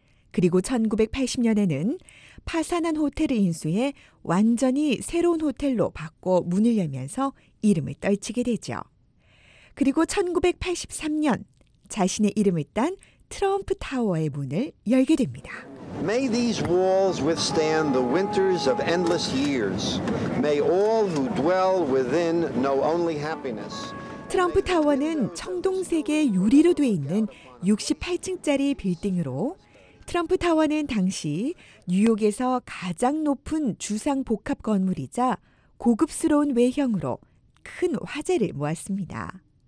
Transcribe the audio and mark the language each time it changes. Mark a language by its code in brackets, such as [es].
[ko] 그리고 1980년에는 파산한 호텔을 인수해 완전히 새로운 호텔로 바꿔 문을 열면서 이름을 떨치게 되죠. 그리고 1983년 자신의 이름을 딴 트럼프 타워의 문을 열게 됩니다. [en] May these walls withstand the winters of endless years. May all who dwell within know only happiness. [ko] 트럼프 타워는 청동색의 유리로 되어 있는 68층짜리 빌딩으로 트럼프 타워는 당시 뉴욕에서 가장 높은 주상 복합 건물이자 고급스러운 외형으로 큰 화제를 모았습니다.